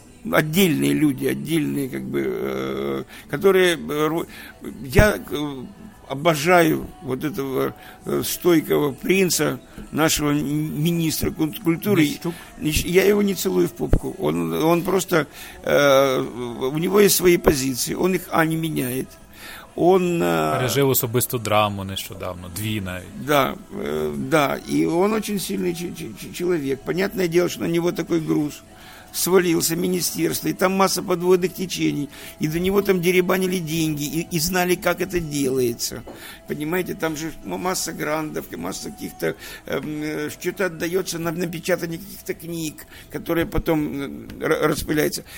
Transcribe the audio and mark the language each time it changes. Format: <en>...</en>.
<ru>Отдельные люди, отдельные, как бы, которые... Я обожаю вот этого стойкого принца, нашего министра культуры. Я его не целую в попку. Он просто... у него есть свои позиции. Он их, не меняет. Он...</ru> <uk>Пережив особисту драму нещодавно. Дві навіть.</uk> <ru>Да. И он очень сильный человек. Понятное дело, что на него такой груз. Свалился министерство, и там масса подводных течений, и до него там дерибанили деньги, и знали, как это делается. Понимаете, там же масса грантов, масса каких-то, что-то отдается на напечатание каких-то книг, которые потом распыляются.</ru>